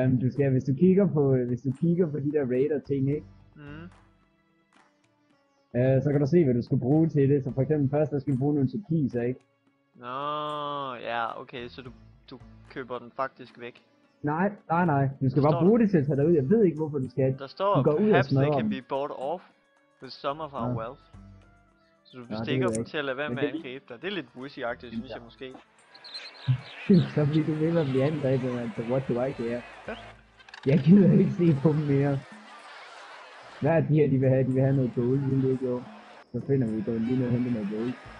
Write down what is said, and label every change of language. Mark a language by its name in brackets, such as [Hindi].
[Danish] Du skal, hvis du kigger på, hvis du kigger på de der Raider ting, ikke? Så kan du se, hvad du skal bruge til det. Så for eksempel først, der skal du bruge nogle turkiser, ikke? Nå, ja, okay, så du køber den faktisk væk. Nej. Du skal bare bruge det til at tage dig ud. Jeg ved ikke, hvorfor du skal. Der står, du går ud [English] perhaps they can be bought off with some of our wealth. [Danish] Så du bestikker dem til at lade være med at angribe dig. Det er lidt wussy-agtigt, synes jeg måske. Så bliver du ved med at blive angrebet, man. Så [English] what do I care? [Danish] Jeg gider ikke se på dem mere. Hvad er de her, de vil have? De vil have noget gold, vil det ikke jo? Så finder vi gold, lige noget hente noget gold.